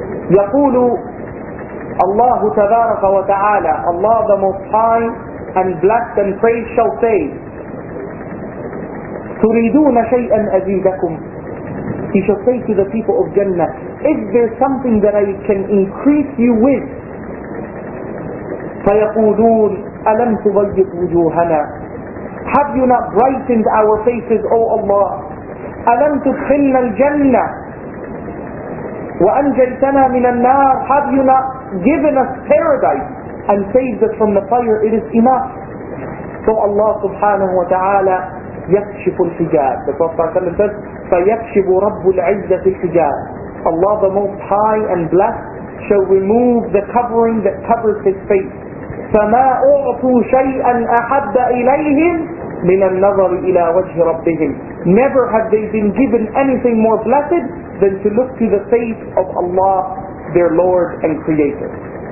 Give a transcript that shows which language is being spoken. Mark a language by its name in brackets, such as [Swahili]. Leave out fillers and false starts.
[Arabic] يقول الله تبارك وتعالى, [English] Allah the Most High and Blessed and Praised shall say, [Arabic] تريدون شيئا أزيدكم. [English] He shall say to the people of Jannah, is there something that I can increase you with? [Arabic] فيقولون ألم تبيض وجوهنا. [English] Have you not brightened our faces, O Allah? [Arabic] ألم تدخلنا الجنة وأنجيتنا من النار. [English] Have you not given us paradise and saved us from the fire? It is enough. So Allah subhanahu wa ta'ala [Arabic] يكشف الحجاب. [English] The Prophet says, [Arabic] فَيَكْشِبُ رَبُّ الْعِزَّةِ الْحِجَابِ. [English] Allah the Most High and Blessed shall remove the covering that covers His face. [Arabic] فَمَا أُعْطُوا شَيْئًا أَحَبَّ إِلَيْهِمْ مِنَ النَّظَرِ إِلَىٰ وَجْهِ رَبِّهِمْ. [English] Never have they been given anything more blessed than to look to the face of Allah, their Lord and Creator.